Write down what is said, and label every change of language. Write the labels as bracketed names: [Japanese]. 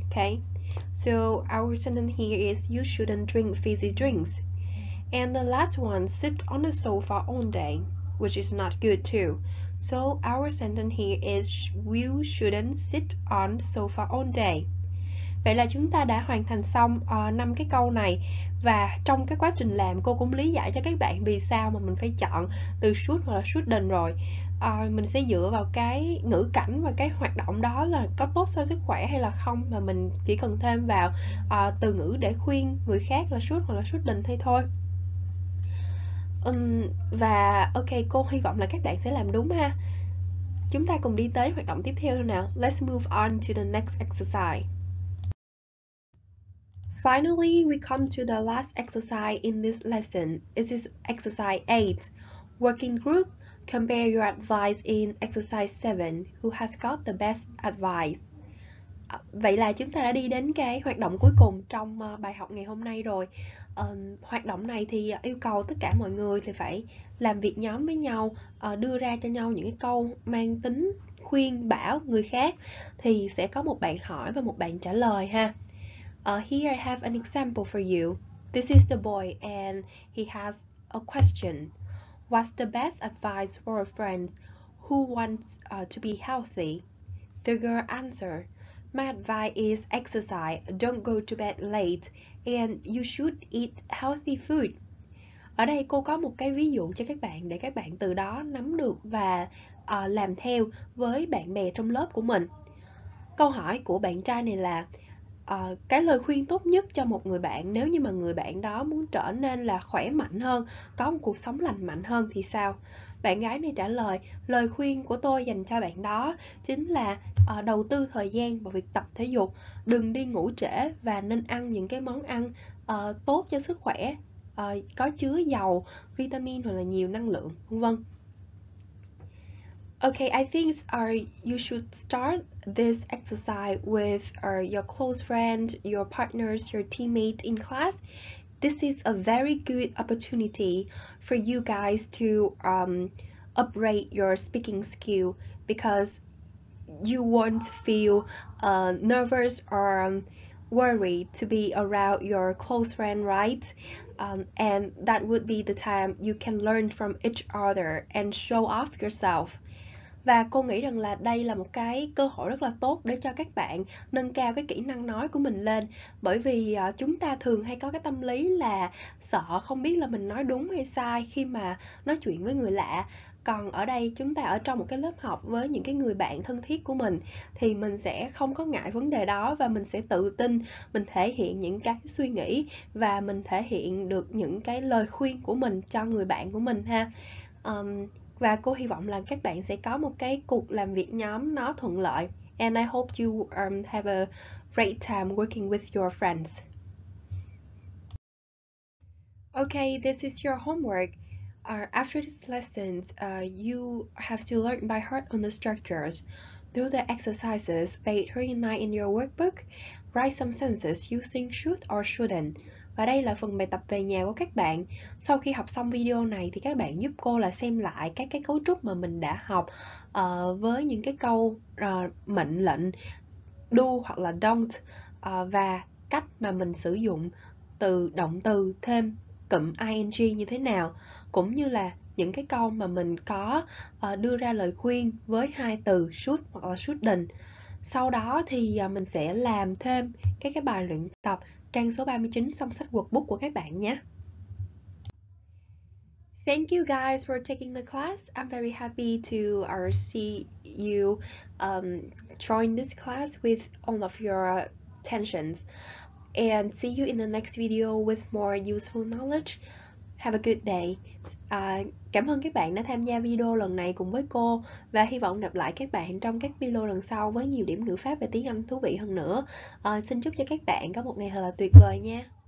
[English] Okay, so our sentence here is you shouldn't drink fizzy drinks. And the last one, sit on the sofa all day, which is not good too. So our sentence here is you shouldn't sit on the sofa all day. [Vietnamese] Vậy là chúng ta đã hoàn thành xong 5 cái câu này. Và trong cái quá trình làm, cô cũng lý giải cho các bạn vì sao mà mình phải chọn từ should hoặc là shouldn't rồi. Mình sẽ dựa vào cái ngữ cảnh và cái hoạt động đó là có tốt cho sức khỏe hay là không, mà mình chỉ cần thêm vào từ ngữ để khuyên người khác là should hoặc là shouldn't thôi. Và ok, cô hy vọng là các bạn sẽ làm đúng ha. Chúng ta cùng đi tới hoạt động tiếp theo thôi nào. [English] Let's move on to the next exercise. Finally, we come to the last exercise in this lesson. It is exercise 8. Working group, compare your advice in exercise 7. Who has got the best advice? [Vietnamese] Vậy là chúng ta đã đi đến cái hoạt động cuối cùng trong bài học ngày hôm nay rồi. Hoạt động này thì yêu cầu tất cả mọi người thì phải làm việc nhóm với nhau, đưa ra cho nhau những cái câu mang tính khuyên bảo người khác, thì sẽ có một bạn hỏi và một bạn trả lời ha. [English] Here I have an example for you. This is the boy and he has a question. What's the best advice for a friend who wants to be healthy? The girl answered, my advice is exercise, don't go to bed late, and you should eat healthy food. [Vietnamese] Ở đây cô có một cái ví dụ cho các bạn để các bạn từ đó nắm được và làm theo với bạn bè trong lớp của mình. Câu hỏi của bạn trai này là cái lời khuyên tốt nhất cho một người bạn nếu như mà người bạn đó muốn trở nên là khỏe mạnh hơn, có một cuộc sống lành mạnh hơn thì sao? Bạn gái này trả lời, lời khuyên của tôi dành cho bạn đó chính là đầu tư thời gian vào việc tập thể dục, đừng đi ngủ trễ và nên ăn những cái món ăn tốt cho sức khỏe, có chứa dầu, vitamin hoặc là nhiều năng lượng, vân vân. [English] Okay, I think you should start this exercise with your close friend, your partners, your teammate in class. This is a very good opportunity for you guys to upgrade your speaking skill because you won't feel nervous or worried to be around your close friend, right? And that would be the time you can learn from each other and show off yourself. [Vietnamese] Và cô nghĩ rằng là đây là một cái cơ hội rất là tốt để cho các bạn nâng cao cái kỹ năng nói của mình lên. Bởi vì chúng ta thường hay có cái tâm lý là sợ không biết là mình nói đúng hay sai khi mà nói chuyện với người lạ. Còn ở đây chúng ta ở trong một cái lớp học với những cái người bạn thân thiết của mình thì mình sẽ không có ngại vấn đề đó và mình sẽ tự tin, mình thể hiện những cái suy nghĩ và mình thể hiện được những cái lời khuyên của mình cho người bạn của mình ha. Và cô hy vọng là các bạn sẽ có một cái cuộc làm việc nhóm nó thuận lợi. [English] and I hope you have a great time working with your friends. Okay, this is your homework. After this lesson, you have to learn by heart on the structures. Do the exercises page 39 in your workbook. Write some sentences using should or shouldn't. [Vietnamese] Và đây là phần bài tập về nhà của các bạn. Sau khi học xong video này thì các bạn giúp cô là xem lại các cái cấu trúc mà mình đã học với những cái câu mệnh lệnh do hoặc là don't và cách mà mình sử dụng từ động từ thêm cụm ing như thế nào, cũng như là những cái câu mà mình có đưa ra lời khuyên với hai từ should hoặc là shouldn't. Sau đó thì mình sẽ làm thêm cái bài luyện tập trang số 39 trong sách workbook của các bạn nhé. [English] Thank you guys for taking the class. I'm very happy to see you join this class with all of your attentions. And see you in the next video with more useful knowledge. Have a good day. [Vietnamese] Cảm ơn các bạn đã tham gia video lần này cùng với cô và hy vọng gặp lại các bạn trong các video lần sau với nhiều điểm ngữ pháp về tiếng Anh thú vị hơn nữa. Xin chúc cho các bạn có một ngày thật là tuyệt vời nha.